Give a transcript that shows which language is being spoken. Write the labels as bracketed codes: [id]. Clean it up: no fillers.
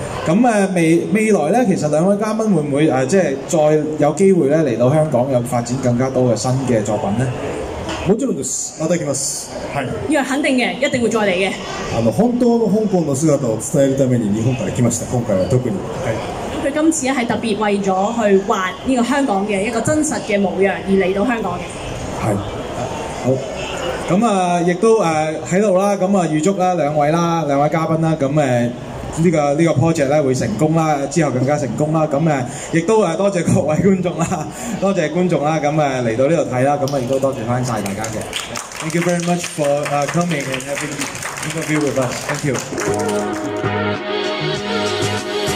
[yue] 咁未來咧，其實兩位嘉賓會唔會即係再有機會咧嚟到香港，有發展更加多嘅新嘅作品咧？ [ja] もちろんです。また来ます。はい。 [yue] いや、肯定嘅。一定会再来嘅。 [ja] 本当の香港の姿を伝えるために日本から来ました。今回は特に。はい。 [yue] 佢今次係特別為咗去畫呢個香港嘅一個真實嘅模樣而嚟到香港嘅。係。好。咁亦都喺度啦。咁預祝啦兩位啦，兩位嘉賓啦。咁這個 project 咧會成功啦，之後更加成功啦。咁亦都多謝各位觀眾啦，多謝觀眾啦。咁嚟到呢度睇啦，咁亦都多謝翻曬大家嘅。 [en] Thank you very much for coming and having interview with us. Thank you.